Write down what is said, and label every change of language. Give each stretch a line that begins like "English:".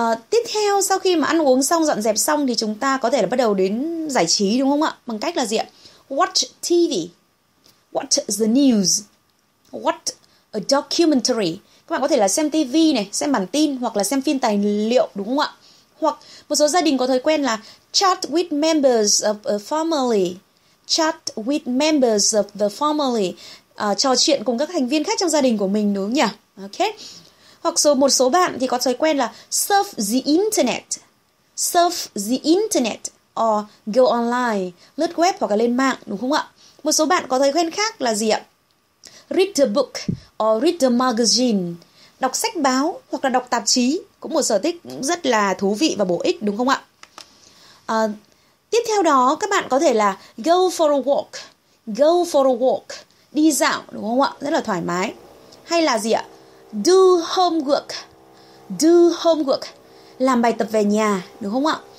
Vietnamese: Tiếp theo, sau khi mà ăn uống xong, dọn dẹp xong thì chúng ta có thể là bắt đầu đến giải trí, đúng không ạ? Bằng cách là gì ạ?
English: Watch TV, watch the news, watch a documentary.
Vietnamese: Các bạn có thể là xem TV này, xem bản tin hoặc là xem phim tài liệu, đúng không ạ? Hoặc một số gia đình có thói quen là
English: chat with members of a family. Chat with members of the family.
Vietnamese: Trò chuyện cùng các thành viên khác trong gia đình của mình, đúng không nhỉ? Ok. Hoặc một số bạn thì có thói quen là
English: surf the internet. Surf the internet or go online.
Vietnamese: Lướt web hoặc là lên mạng, đúng không ạ? Một số bạn có thói quen khác là gì ạ?
English: Read the book or read the magazine.
Vietnamese: Đọc sách báo hoặc là đọc tạp chí, cũng một sở thích rất là thú vị và bổ ích, đúng không ạ? Tiếp theo đó, các bạn có thể là
English: go for a walk. Go for a walk.
Vietnamese: Đi dạo, đúng không ạ? Rất là thoải mái. Hay là gì ạ?
English: Do homework. Do homework.
Vietnamese: Làm bài tập về nhà, đúng không ạ?